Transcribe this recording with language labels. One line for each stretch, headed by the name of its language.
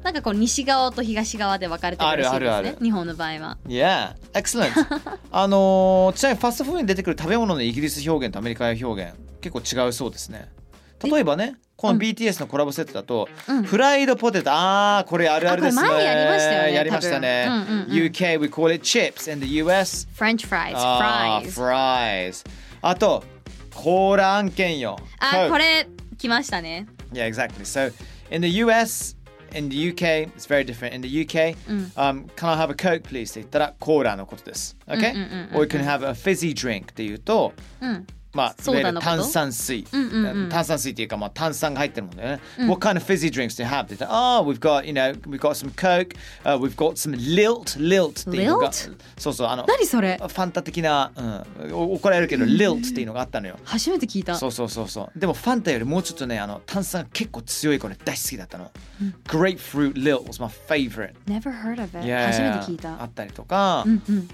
Japanese: なんかこう西側と東側で分かれてるらしいですね、あるあるある、日本の場合は。
English: Yeah, excellent.
Japanese: ちなみにファストフードに出てくる食べ物のイギリス表現とアメリカ表現結構違うそうですね。例えばね、この BTS のコラボセットだと、うん、フライドポテト、ああ、これあるあるですね。これ前やりましたよね。やりましたね。うんうんうん、
English: UK we call it chips, in the US French fries, fries。
Japanese: あとコーラ案件よ。あ、これ来ましたね。
English: Yeah, exactly. So in the US, in the UK, it's very different. In the UK,、
Japanese: うん、
English: can I have a Coke, please?
Japanese: って言ったらコーラのことです。
English: Okay? Or you can have a fizzy drink.
Japanese: って言うと。うん、まあ、そうだのこと、炭酸水、うんうんうん、炭酸水っていうか、まあ、炭酸が入ってるもんね、うん、
English: What kind of fizzy drinks do you have? They say, oh, we've got, you know, we've got some Coke、we've got some Lilt.
Japanese: Lilt っていうのが、そうそう、何それ、ファンタ的な、うん、怒られるけど、Lilt っていうのがあったのよ。初めて聞いた。そうそうそうそう。でもファンタよりもうちょっとね、炭酸が結構強い、これ大好きだったの、うん、
English: Grapefruit Lilt was my favorite. Never heard of it. Yeah,
Japanese: 初めて聞いた。あったりとか、うんうん、